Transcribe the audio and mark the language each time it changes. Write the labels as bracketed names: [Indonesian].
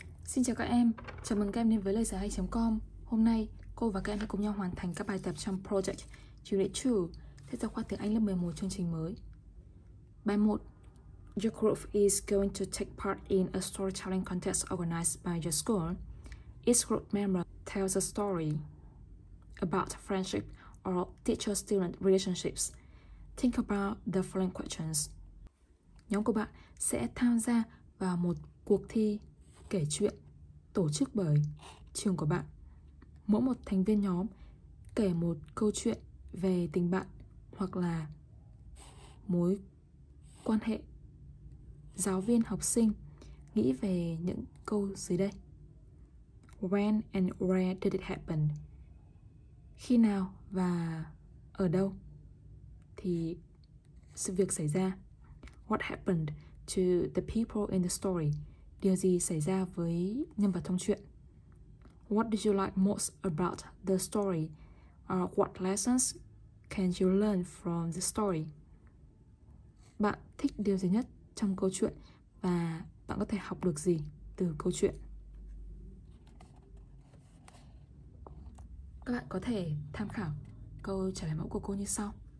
[Vietnamese] Xin chào các em, chào mừng các em đến với lời giải hay.com. Hôm nay, cô và các em sẽ cùng nhau hoàn thành các bài tập trong Project Unit 2, sách giáo khoa tiếng Anh lớp 11 chương trình mới. Bài 1. [English] Your group is going to take part in a storytelling contest organized by your school. Each group member tells a story about friendship or teacher-student relationships. Think about the following questions. [Vietnamese] Nhóm của bạn sẽ tham gia vào một cuộc thi kể chuyện tổ chức bởi trường của bạn. Mỗi một thành viên nhóm kể một câu chuyện về tình bạn hoặc là mối quan hệ giáo viên học sinh. Nghĩ về những câu dưới đây. [English] When and where did it happen? [Vietnamese] Khi nào và ở đâu thì sự việc xảy ra? [English] What happened to the people in the story? [Vietnamese] Điều gì xảy ra với nhân vật trong chuyện? [English] What did you like most about the story? Or what lessons can you learn from the story? [Vietnamese] Bạn thích điều gì nhất trong câu chuyện và bạn có thể học được gì từ câu chuyện? Các bạn có thể tham khảo câu trả lời mẫu của cô như sau.